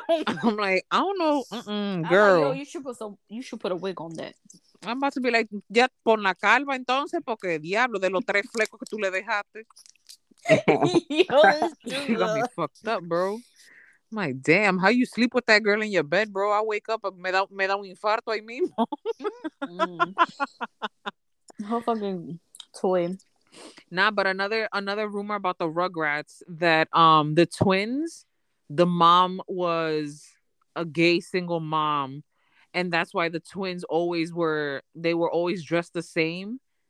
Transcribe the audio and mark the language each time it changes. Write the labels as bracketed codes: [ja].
[en] I'm like, I don't know. Mm-mm, girl. Yo, you should put a wig on that. I'm about to be like, [es] ya pon la calva entonces, porque diablo, de los tres flecos que tú le dejaste. [en] You got me fucked up, bro. I'm like, damn, how you sleep with that girl in your bed, bro? I wake up, [es] me da un infarto ahí mismo. [en] Her fucking toy. Nah, but another rumor about the Rugrats that the twins, the mom was a gay single mom, and that's why the twins always were, they were always dressed the same.